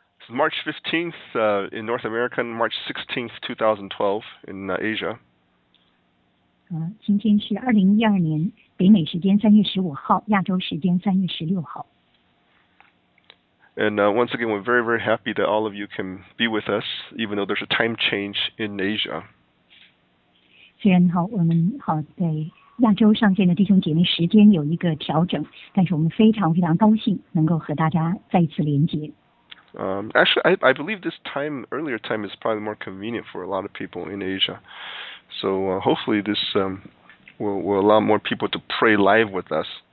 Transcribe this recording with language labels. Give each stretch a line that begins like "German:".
English: March 15th in North America and March 16th, 2012 in Asia.
Chinese: 今天是 2012年 北美时间 3月15号 亚洲时间 3月16号
English: And once again, we're very, very happy that all of you can be with us, even though there's a time change in Asia.
Chinese: 虽然我们在 亚洲上线的弟兄姐妹时间有一个调整, 但是我们非常非常高兴能够和大家再一次连接。
English: Actually, I believe this time, earlier time, is probably more convenient for a lot of people in Asia. So hopefully this will allow more people to pray live with us.